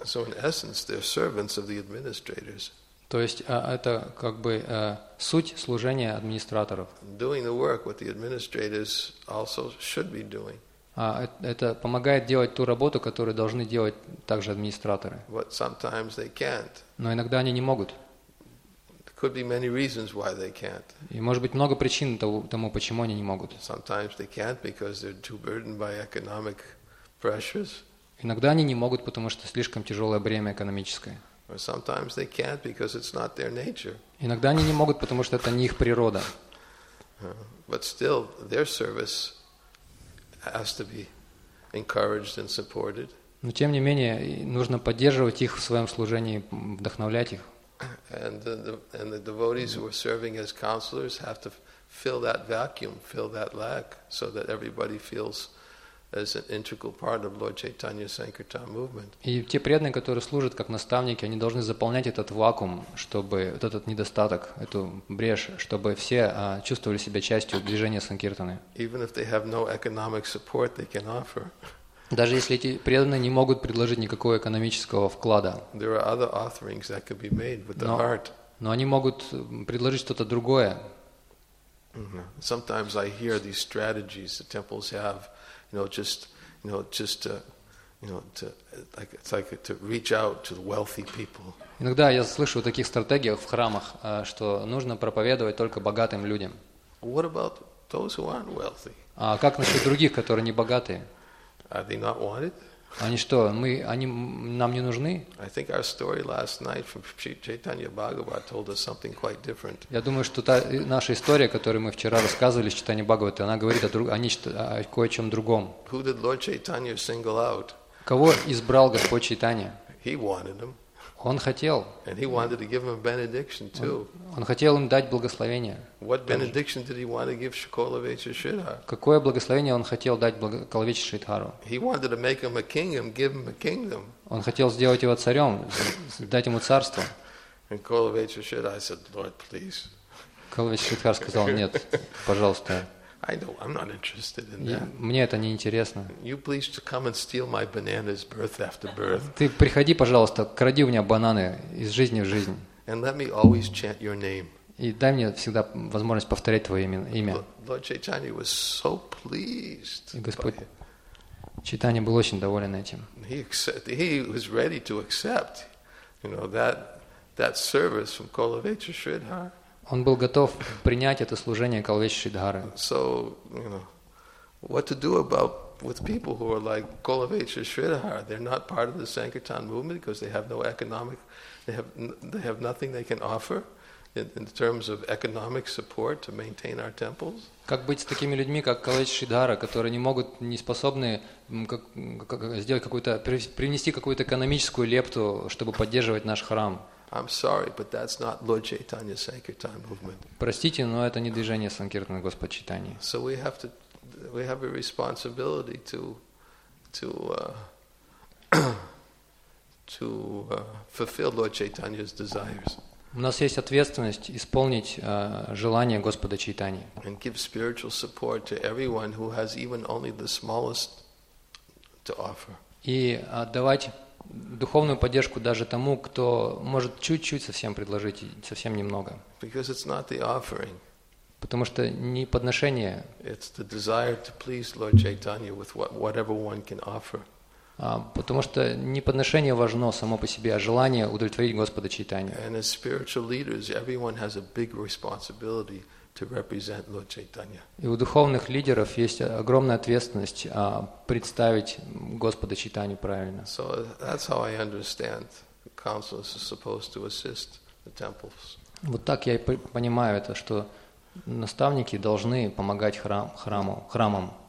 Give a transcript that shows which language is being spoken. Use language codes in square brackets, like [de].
[en] So in essence, they're servants of the administrators. [ru] То есть это как бы суть служения администраторов. [en] Doing the work what the administrators also should be doing. [ru] Это помогает делать ту работу, которую должны делать также администраторы. [en] But sometimes they can't. [ru] Но иногда они не могут. [en] There could be many reasons why they can't. [ru] И может быть много причин тому, почему они не могут. [en] Sometimes they can't because they're too burdened by economic pressures. [ru] Иногда они не могут, потому что слишком тяжелое бремя экономическое. [en] Or sometimes they can't because it's not their nature. [ru] Иногда они не могут, потому что это не их природа. [en] But still, their service has to be encouraged and supported. [ru] Но тем не менее нужно поддерживать их в своем служении, вдохновлять их. [en] And the devotees who are serving as counselors have to fill that vacuum, fill that lack, so that everybody feels as an integral part of Lord Chaitanya's Sankirtan movement. [ru] И те преданные, которые служат как наставники, они должны заполнять этот вакуум, чтобы вот этот недостаток, эту брешь, чтобы все чувствовали себя частью движения Санкиртаны. [en] Even if they have no economic support they can offer. [ru] Даже если эти преданные не могут предложить никакого экономического вклада. [en] There are other offerings that could be made with the heart. [ru] Но они могут предложить что-то другое. [en] Sometimes I hear these strategies the temples have, to reach out to the wealthy people. [ru] Иногда я слышу о таких стратегиях в храмах, что нужно проповедовать только богатым людям. [en] What about those who aren't wealthy? [ru] А как насчет других, которые не богатые? [en] Are they not wanted? [ru] Они что, мы, они нам не нужны? [en] I think our story last night from Chaitanya Bhagavat told us something quite different. [ru] Я думаю, что та наша история, которую мы вчера рассказывали с Чайтанья Бхагаватой, она говорит о друг, они что, о кое-чем другом. [en] Who did Lord Chaitanya single out? [ru] Кого избрал Господь Чайтанья? [en] He wanted them. [ru] Он хотел. [en] And he wanted to give them benediction too. [ru] Он хотел им дать благословение. [en] What benediction did he want to give Śukala Vaiśeṣika? [ru] Какое благословение он хотел дать Śukala Vaiśeṣika? [en] He wanted to make him a king and give him a kingdom. [ru] Он хотел сделать его царем, дать ему царство. [en] And Śukala Vaiśeṣika said, "Lord, please." [ru] Śukala Vaiśeṣika сказал: "Нет, пожалуйста." [en] I know I'm not interested in that. [ru] Мне это не интересно. [en] You please to come and steal my bananas birth after birth. [ru] Ты приходи, пожалуйста, кради у меня бананы из жизни в жизнь. [en] And let me always chant your name. [ru] И дай мне всегда возможность повторять твое имя. [en] Lord Chaitanya was so pleased. [ru] Господь Чайтанья был очень доволен этим. [en] He was ready to accept, that service from Śukala Vaiśeṣika. [ru] Он был готов принять это служение Śukala Vaiśeṣika. [en] So, what to do about with people who are like Śukala Vaiśeṣika? They're not part of the Sankirtan movement because they have no economic, they have nothing they can offer in terms of economic support to maintain our temples. [ru] Как быть с такими людьми, как Śukala Vaiśeṣika, которые не могут, не способны сделать какую-то, принести какую-то экономическую лепту, чтобы поддерживать наш храм? [en] I'm sorry, but that's not Lord Chaitanya's Sankirtan movement. [ru] Простите, но это не движение Санкиртаны Господа Чайтаньи. [en] So we have a responsibility to fulfill Lord Chaitanya's desires. [ru] У нас есть ответственность исполнить желание Господа Чайтаньи. [en] And give spiritual support to everyone who has even only the smallest to offer. [ru] И отдавать духовную поддержку даже тому, кто может чуть-чуть совсем предложить, совсем немного. [en] Because it's not the offering. [ru] Потому что не подношение. [en] It's the desire to please Lord Chaitanya with whatever one can offer. [ru] Потому что не подношение важно само по себе, а желание удовлетворить Господа Чайтанью. [en] And as spiritual leaders, everyone has a big responsibility to represent Lord Chaitanya. [ru] И у духовных лидеров есть огромная ответственность представить Господа Чайтанью правильно. [en] So that's how I understand the councils are supposed to assist the temples. [ru] Вот так я и понимаю это, что наставники должны помогать храмам.